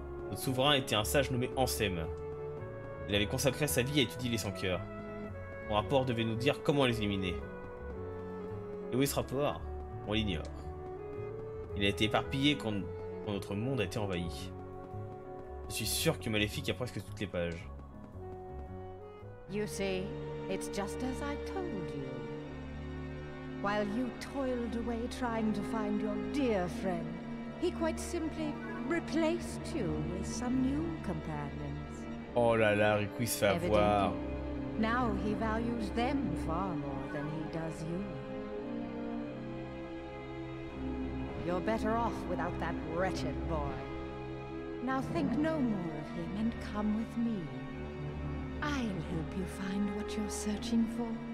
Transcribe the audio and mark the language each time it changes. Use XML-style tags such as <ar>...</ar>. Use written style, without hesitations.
<fr>Notre souverain était un sage nommé Ansem. Il avait consacré sa vie à étudier les sans-cœurs. Mon rapport devait nous dire comment les éliminer. Et où est ce rapport? On l'ignore. Il a été éparpillé quand notre monde a été envahi. Je suis sûr que Maléfique a presque toutes les pages.</fr> <en>You see, it's just as I told you. While you toiled away trying to find your dear friend, he quite simply replaced you with some new companions.</en> <fr>Oh là là, Riku se fait avoir.</fr> <en>Now he values them far more than he does you. You're better off without that wretched boy. Now think no more of him and come with me. I'll help you find what you're searching for.</en>